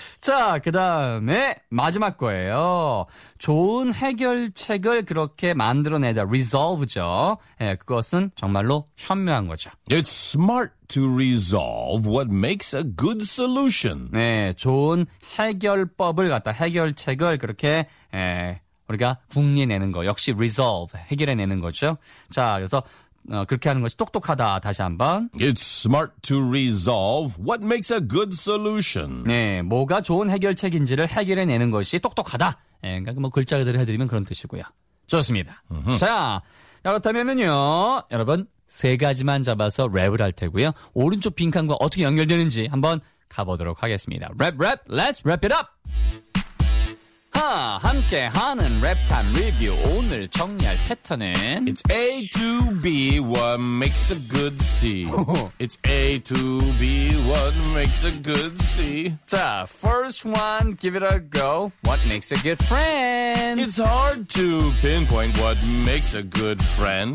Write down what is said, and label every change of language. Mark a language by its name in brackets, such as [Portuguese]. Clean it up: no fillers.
[Korean] 자, 그 다음에 마지막 거예요. 좋은 해결책을 그렇게 만들어내다. Resolve죠. 예, 그것은 정말로 현명한 거죠. [English] It's smart to resolve what makes a good solution. [Korean] 네, 좋은 해결법을 갖다 해결책을 그렇게 예, 우리가 궁리내는 거. 역시 resolve, 해결해내는 거죠. 자, 그래서 그렇게 하는 것이 똑똑하다. 다시 한번. [English] It's smart to resolve what makes a good solution. [Korean] 네, 뭐가 좋은 해결책인지를 해결해내는 것이 똑똑하다. 네, 그러니까 뭐 글자 그대로 해드리면 그런 뜻이고요. 좋습니다. Uh-huh. 자, 그렇다면은요, 여러분 세 가지만 잡아서 랩을 할 테고요. 오른쪽 빈칸과 어떻게 연결되는지 한번 가보도록 하겠습니다. [English] Rap, rap, let's wrap it up. [Korean] 함께하는 랩타임 리뷰 오늘 정리할 패턴은 [English] It's A to B what makes a good C It's A to B what makes a good C 자, first one, give it a go What makes a good friend? It's hard to pinpoint what makes a good friend